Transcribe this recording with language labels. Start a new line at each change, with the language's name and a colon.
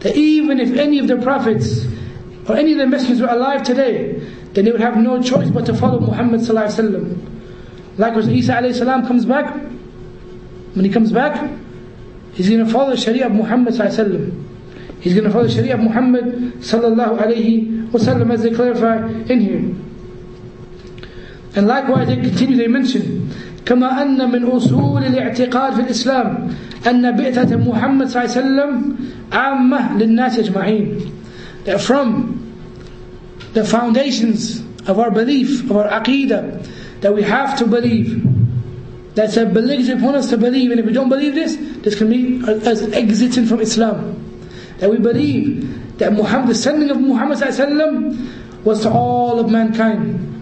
English: That even if any of the prophets or any of the messengers were alive today, then they would have no choice but to follow Muhammad sallallahu alaihi wasallam. Likewise, Isa alayhi salam comes back. When he comes back, he's going to follow the Sharia of Muhammad sallallahu alaihi wasallam. He's going to follow the Sharia of Muhammad sallallahu alaihi wasallam, as they clarify in here. And likewise, they continue. They mention,
Arabic: كما أن من أصول الاعتقاد في الإسلام أن بعثة محمد sallallahu alaihi wasallam عامة للناس أجمعين.
English: They're from the foundations of our belief, of our aqeedah, that we have to believe. That's a belief upon us to believe. And if we don't believe this, this can be us exiting from Islam. That we believe that Muhammad, the sending of Muhammad sallallahu alaihi wasallam, was to all of mankind.